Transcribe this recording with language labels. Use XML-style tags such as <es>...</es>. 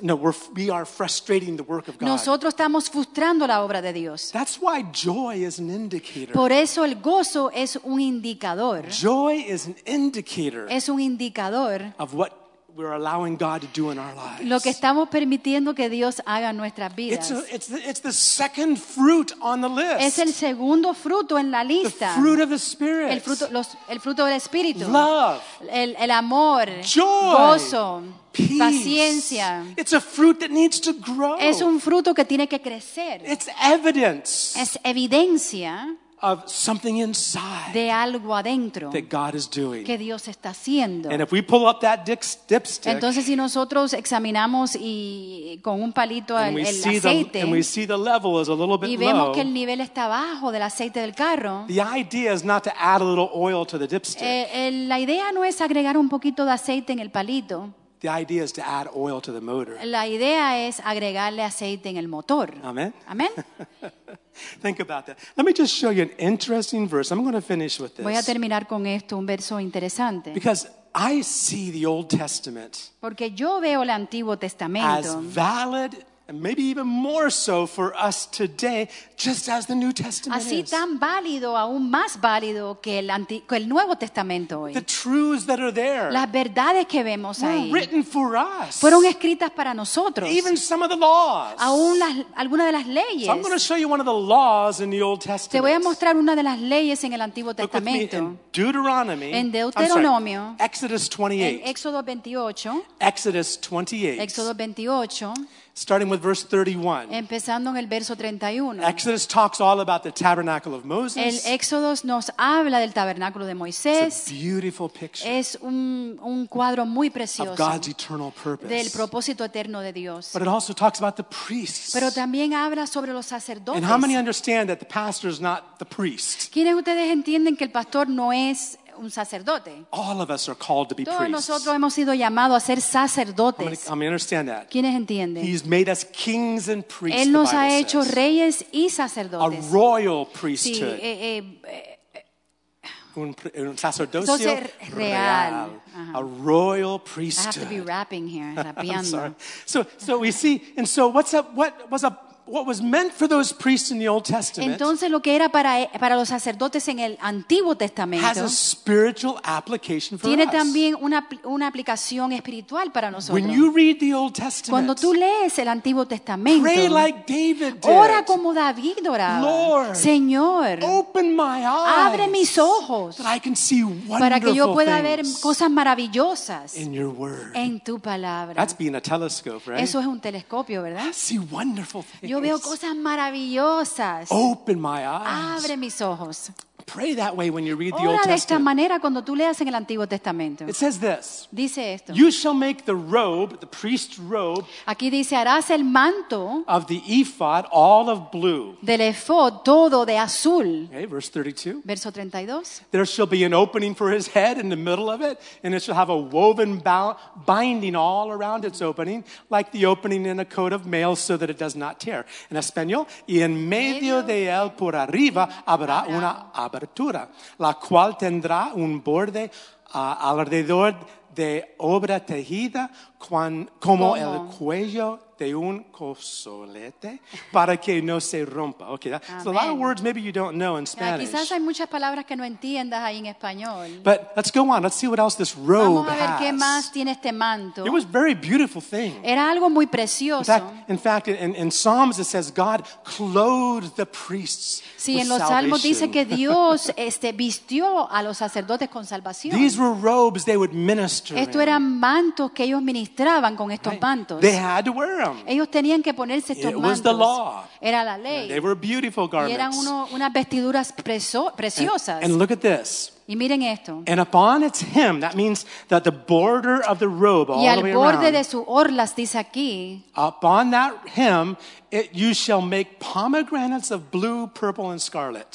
<en>No, we are frustrating the work of God.</en> <es>Nosotros estamos frustrando la obra de Dios.</es> <en>That's why joy is an indicator.</en> <es>Por eso el gozo es un indicador.</es> <en>Joy is an indicator.</en> <es>Es un indicador.</es> <en>Of what we're allowing God to do in our lives.</en> <es>Lo que estamos permitiendo que Dios haga en nuestras vidas.</es> <en>It's the second fruit on the list.</en> <es>Es el segundo fruto en la lista.</es> <en>The fruit of the Spirit.</en> <es>El fruto del Espíritu.</es> <en>Love.</en> <es>El amor.</es> <en>Joy.</en> <es>Gozo.</es> <en>Peace.</en> <es>Paciencia.</es> <en>It's a fruit that needs to grow.</en> <es>Es un fruto que tiene que crecer.</es> <en>It's evidence.</en> <es>Es evidencia.</es> <en>Of something inside</en> <es>de algo adentro</es> <en>that God is doing.</en> <es>Que Dios está haciendo.</es> <en>And if we pull up that dipstick,</en> <es>entonces si nosotros examinamos y con un palito</es> <en>and</en> <es>el aceite,</es> <en>and we see the level is a little bit</en> <es>y vemos</es> <en>low,</en> <es>que el nivel está bajo del aceite del carro,</es> <en>the idea is not to add a little oil to the dipstick.</en> <es>La idea no es agregar un poquito de aceite en el palito.</es> <en>The idea is to add oil to the motor.</en> <es>La idea es agregarle aceite en el motor.</es> <en>Amen.</en> <es>Amen.</es> <en>Think about that. Let me just show you an interesting verse. I'm going to finish with this.</en> <es>Voy a terminar con esto, un verso interesante.</es> <en>Because I see the Old Testament.</en> <es>Porque yo veo el Antiguo Testamento.</es> <en>As valid, and maybe even more so for us today, just as the New Testament</en> <es>así</es> <en>is.</en> <es>Así tan válido, aún más válido que el Nuevo Testamento hoy.</es> <en>The truths that are there.</en> <es>Las verdades que vemos</es> <en>were</en> <es>ahí.</es> <en>Were written for us.</en> <es>Fueron escritas para nosotros.</es> <en>Even some of the laws.</en> <es>Aún algunas de las leyes.</es> <en>So I'm going to show you one of the laws in the Old Testament.</en> <es>Te voy a mostrar una de las leyes en el Antiguo Testamento.</es> <en>Look with me in Deuteronomy.</en> <es>En Deuteronomio.</es> <en>I'm sorry, Exodus 28.</en> <es>En Éxodo 28.</es> <en>Exodus 28.</en> <es>Éxodo 28.</es> <en>Starting with verse 31.</en> <es>Empezando en el verso 31.</es> <en>Exodus talks all about the tabernacle of Moses.</en> <es>El Éxodo nos habla del tabernáculo de Moisés.</es> <en>It's a beautiful picture.</en> <es>Es un cuadro muy precioso.</es> <en>Of God's eternal purpose.</en> <es>Del propósito eterno de Dios.</es> <en>But it also talks about the priests.</en> <es>Pero también habla sobre los sacerdotes.</es> <en>And how many understand that the pastor is not the priest?</en> <es>¿Quiénes ustedes entienden que el pastor no es un sacerdote?</es> <en>All of us are called to be</en> <es>todos</es> <en>priests.</en> <es>Nosotros hemos sido llamados a ser sacerdotes.</es> <en>I'm gonna understand that.</en> <es>¿Quiénes entienden?</es> <en>He's made us kings and priests.</en> <es>Él nos</es> <en>the Bible</en> <es>ha hecho</es> <en>says.</en> <es>Reyes y sacerdotes.</es> <en>A royal priesthood.</en> <es>Sí, un sacerdocio entonces, real.</es> <en>Uh-huh. A royal priesthood. I have to be rapping here. I'm sorry. So we see, and so what's up? What was a what was meant for those priests in the Old Testament.</en> <es>Entonces lo que era para los sacerdotes en el Antiguo Testamento</es> <en>has a spiritual application for us.</en> <es>Tiene también una aplicación espiritual para nosotros.</es> <en>When you read the Old Testament,</en> <es>cuando tú lees el Antiguo Testamento,</es> <en>pray like David did.</en> <es>Ora como David oraba.</es> <en>Lord,</en> <es>Señor,</es> <en>open my eyes.</en> <es>Abre mis ojos</es> <en>that I can see wonderful</en> <es>para que yo pueda</es> <en>things</en> <es>ver cosas maravillosas</es> <en>in your word.</en> <es>En tu palabra.</es> <en>That's being a telescope, right?</en> <es>Eso es un telescopio, ¿verdad?</es> <en>I see wonderful things.</en> <es>Yo veo cosas maravillosas.</es> <en>Open my eyes.</en> <es>Abre mis ojos.</es> <en>Pray that way when you read the Old Testament.</en> <es>Ora de esta manera cuando tú leas en el Antiguo Testamento.</es> <en>It says this.</en> <es>Dice esto.</es> <en>You shall make the robe, the priest's robe.</en> <es>Aquí dice harás el manto.</es> <en>Of the ephod, all of blue.</en> <es>Del ephod, todo de azul.</es> <en>Okay, verse 32.</en> <es>Verso 32.</es> <en>There shall be an opening for his head in the middle of it, and it shall have a woven binding all around its opening, like the opening in a coat of mail, so that it does not tear.</en> <es>En español, y en medio de él por arriba habrá una abertura, la cual tendrá un borde alrededor de obra tejida como el cuello de un cosolete para que no se rompa.</es> <en>Okay, that's a lot of words maybe you don't know in Spanish.</en> <es>Quizás hay muchas palabras que no entiendas ahí en español.</es> <en>But let's go on. Let's see what else this robe has.</en> <es>Vamos a ver qué más tiene este manto.</es> <en>It was a very beautiful thing.</en> <es>Era algo muy precioso.</es> <en>In fact, in Psalms it says God clothed the priests with salvation.</en> <es>Sí, en los Salmos dice que Dios vistió a los sacerdotes con salvación.</es> <en>These were robes they would minister in.</en> <es>Estos eran mantos que ellos ministraban con estos mantos.</es> <en>They had to wear.</en> <es>Ellos tenían que ponerse estos mantos.</es> <en>It was the law.</en> <es>Era la ley.</es> <en>They were beautiful garments.</en> <es>Y eran unas vestiduras preciosas.</es> <en>And look at this.</en> <es>Y miren esto.</es> <en>And upon its hem, that means that the border of the robe all the way around.</en> <es>Y al borde de su orlas dice aquí.</es> <en>Upon that hem, you shall make pomegranates of blue, purple, and scarlet.</en>